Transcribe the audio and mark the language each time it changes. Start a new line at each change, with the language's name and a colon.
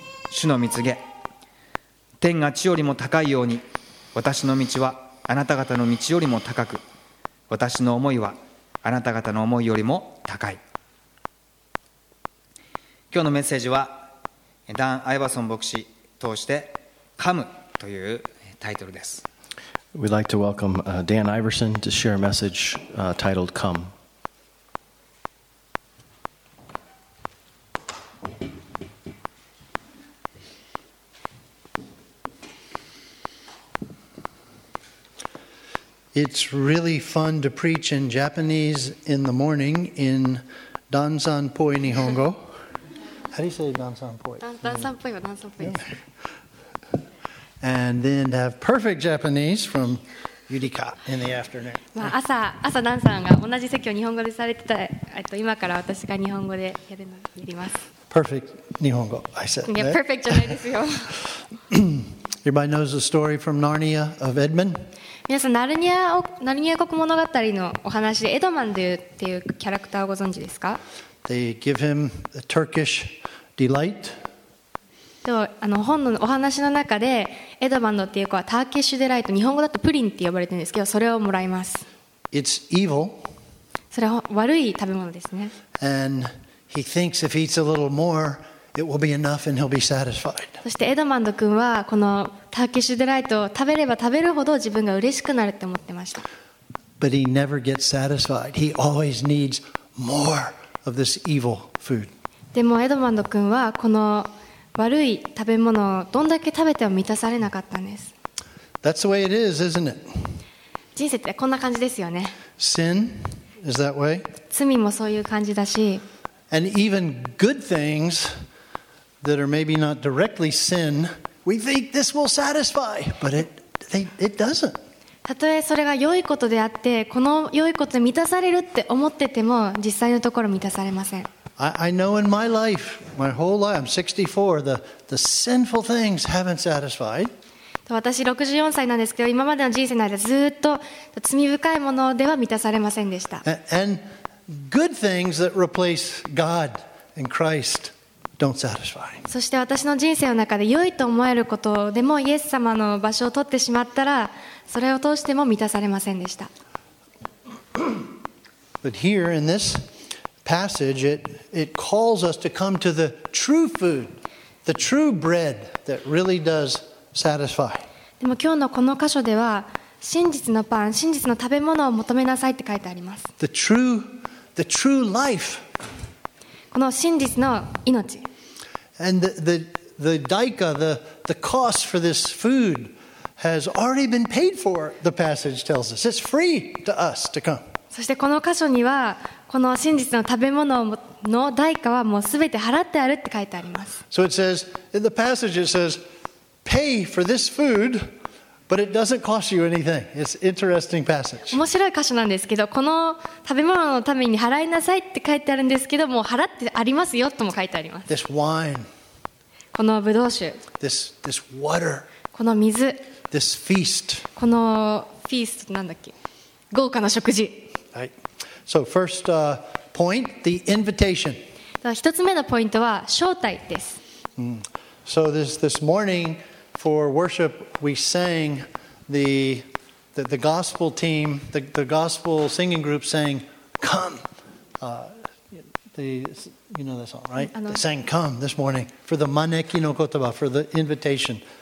Japanese: 主の御告げ、天が地よりも高いように、私の道はあなた方の道よりも高く、私の思いはあなた方の思いよりも高い。今日のメッセージはダン・アイバソン牧師通して噛むというタイトルです。
English: We'd like to welcome Dan Iverson to share a message titled Come. It's really fun to preach in Japanese in the morning in Dansan
Japanese: Poi Nihongo.
English: How do you say Dansan Poi?
Japanese: Dansan Poi, Dansan Poi.
English: And then have perfect Japanese from Yurika in the afternoon.
Japanese: Well, 朝 Dansan が同じ席を日本語でされてた、今から私が日本語でやるのやります。
English: Perfect Nihongo, I said. Yeah, perfect
Japanese: じゃないですよ。
English: Everybody knows the story from Narnia of Edmund?
Japanese: 皆さん、ナルニア国物語のお話でエドマンっていうキャラクターをご存知ですか？
English: They give him a Turkish delight.
Japanese: でも、あの本のお話の中でエドマンっていう子はターキッシュデライト、日本語だとプリンって呼ばれてるんですけど、それをもらいます。
English: It's evil.
Japanese: それは悪い食べ物ですね。
English: And he thinks if he eats a little moreIt will be enough, and he'll be satisfied.
Japanese: そしてエドマンド君はこのターキッシュデライトを食べれば食べるほど自分が嬉しくなると思ってました。
English: But he never gets satisfied. He always needs more of this evil food.
Japanese: でもエドマンド君はこの悪い食べ物をどんだけ食べても満たされなかったんです。
English: That's the way it is, isn't it?
Japanese: 人生ってこんな感じですよね。
English: Sin is that way.
Japanese: 罪もそういう感じだし。
English: And even good things that are maybe not directly sin, we think this will satisfy, but it doesn't.
Japanese: たとえそれが良いことであって、この良いことで満たされるって思ってても、実際のところ満たされません。
English: I know in my life, my whole life, I'm 64, the sinful things haven't satisfied.
Japanese: 私64歳なんですけど、今までの人生の間ずっと罪深いものでは満たされませんでした。
English: And good things that replace God and Christ don't satisfy.
Japanese: そして私の人生の中で良いと思えることでもイエス様の場所を取ってしまったら、それを通しても満たされませんでした。
English: But here in this passage, it calls us to come to the true food, the true bread that really does satisfy.
Japanese: でも今日のこの箇所では、真実のパン、真実の食べ物を求めなさいって書いてあります。
English: The true life.
Japanese: この真実の命。
English: And the daika, the cost for this food has already been paid for, the passage tells us. It's free to us to come.
Japanese: そしてこの箇所にはこの真実の食べ物の代価はもうすべて払ってあるって書いてあります。
English: So it says, in the passage it says, pay for this food, but it doesn't cost you anything. It's an interesting passage.
Japanese: 面白い箇所なんですけど、この食べ物のために払いなさいって書いてあるんですけど、もう払ってありますよとも書いてあります。
English: This wine.
Japanese: このブドウ酒。
English: This water.
Japanese: この水。
English: This feast.
Japanese: このフィーストなんだっけ？豪華な食事。
English: So first point, the invitation.
Japanese: 一つ目のポイントは招待です。
English: So this morning for worship, we sang the gospel team, the gospel singing group sang, come. You know that song, right? They sang, come this morning for the
Japanese: maneki no kotoba,
English: for the invitation.